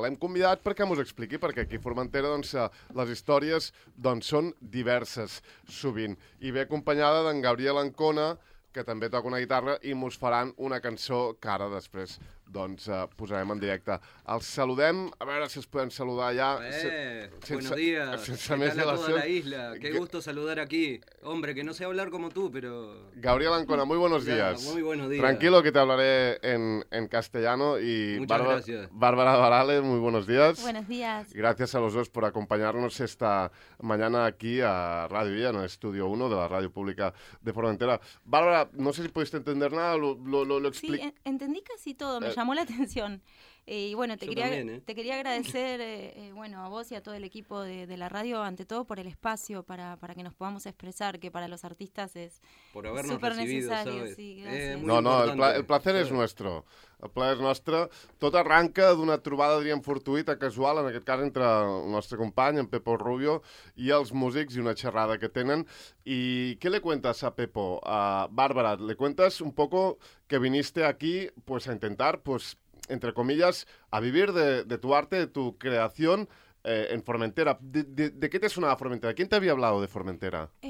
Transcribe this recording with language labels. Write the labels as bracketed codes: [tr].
[ca] L'hem convidat perquè m'ho expliqui, perquè aquí a Formentera doncs, les històries doncs, són diverses sovint. I ve acompanyada d'en Gabriel Ancona, que també toca una guitarra, i mos faran una cançó que ara després doncs, posarem en directe. Els saludem, a veure si els podem saludar ja. [es] Buenos días, [ca] sense més dilació. [es] Qué tal a toda la isla, qué gusto saludar aquí. Hombre, que no sé hablar como tú, pero... Gabriel Ancona, muy buenos días. Muy buenos días. Tranquilo, que te hablaré en castellano. Y Muchas gracias. Bárbara Barale, muy buenos días. Buenos días. Gracias a los dos por acompañarnos esta mañana aquí a Radio Villa, en el Estudio 1 de la Radio Pública de Formentera. Bárbara, no sé si pudiste entender nada, lo explico. Sí, entendí casi todo, me llamó la atención. Y bueno, te quería agradecer bueno, a vos y a todo el equipo de la radio, ante todo por el espacio para que nos podamos expresar, que para los artistas es súper necesario. Por habernos recibido, ¿sabes? Sí, no, el placer es nuestro. [ca] El plaer és nostre. Tot arranca d'una trobada, diríem, fortuïta, casual, en aquest cas entre el nostre company, en Pepo Rubio, i els músics, i una xerrada que tenen. I què [es] le cuentas a Pepo? Bárbara, le cuentas un poco que viniste aquí pues, a intentar, pues, entre comillas, a vivir de tu arte, de tu creación en Formentera. ¿De qué te sonaba Formentera? ¿Quién te había hablado de Formentera?